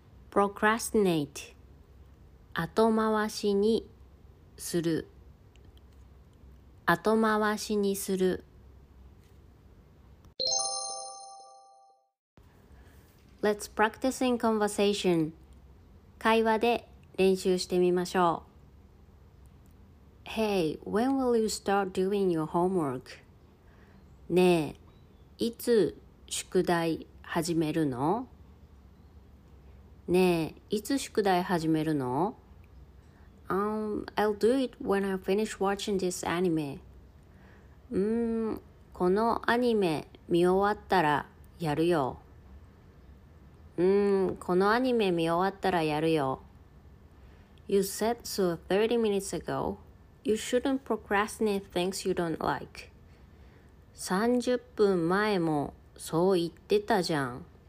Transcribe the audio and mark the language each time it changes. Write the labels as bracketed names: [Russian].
[English] Procrastinate [Japanese] 後回しにする後回しにする [English] Let's practice in conversation [Japanese] 会話で練習してみましょう [English] Hey, when will you start doing your homework? [Japanese] ねえ、いつ宿題始めるの? ねえ、いつ宿題始めるの? [English] I'll do it when I finish watching this anime. [Japanese] このアニメ見終わったらやるよ。このアニメ見終わったらやるよ。 [English] You said so 30 minutes ago. You shouldn't procrastinate things you don't like. [Japanese] 30分前もそう言ってたじゃん。